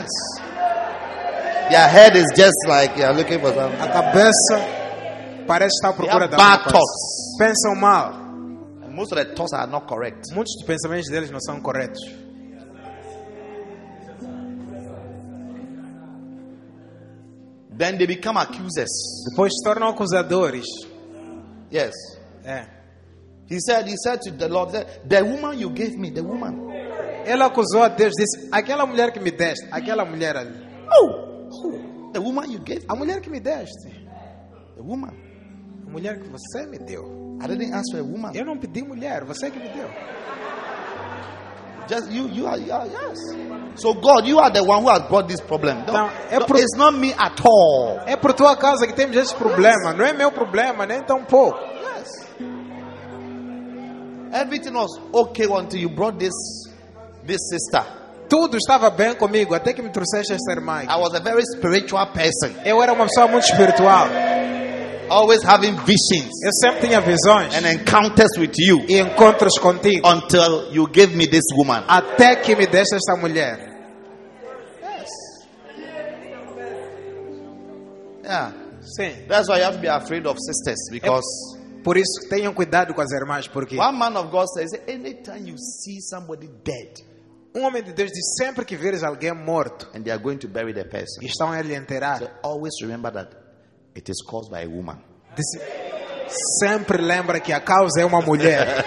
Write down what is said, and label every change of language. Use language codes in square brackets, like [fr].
[en] Yes. Your head is just like you are looking for something. [pt] A cabeça parece estar à procura [en] de bad thoughts. [pt] Pensam mal. [en] Most of the thoughts are not correct. [pt] Muitos dos pensamentos deles não são corretos. [en] Then they become accusers. [pt] Depois se tornam acusadores. [en] Yes. [pt] É. [en] He said to the Lord, the woman you gave me, the woman. [pt] Ela acusou a Deus, disse, aquela mulher que me deste, aquela mulher ali. [en] Oh, the woman you gave me. [pt] A mulher que me deste. [en] The woman. [pt] A mulher que você me deu. [en] I didn't ask for a woman. [pt] Eu não pedi mulher, você que me deu. [en] Just you are, yes. So God, you are the one who has brought this problem. It's not me at all. [pt] É por tua causa que temos esse problema, [en] yes. [pt] Não é meu problema, nem tão pouco. [en] Everything was okay until you brought this sister. [pt] Tudo estava bem comigo até que me trouxeste esta irmã. [en] I was a very spiritual person. [pt] Eu era uma pessoa muito espiritual. [en] Always having visions. [pt] Eu sempre tinha visões. [en] And encounters with you. [pt] E encontros contigo. [en] Until you gave me this woman. [pt] Até que me deste esta mulher. [en] Yes. Yeah. [pt] Sim. [en] That's why you have to be afraid of sisters because. [pt] Por isso tenham cuidado com as irmãs, porque [en] one man of God says, anytime you see somebody dead, [pt] um homem de Deus diz sempre que veres alguém morto, [en] and they are going to bury the person, [pt] estão a lhe enterrar. [en] So always remember that it is caused by a woman. [pt] Sempre lembra que a causa é uma mulher.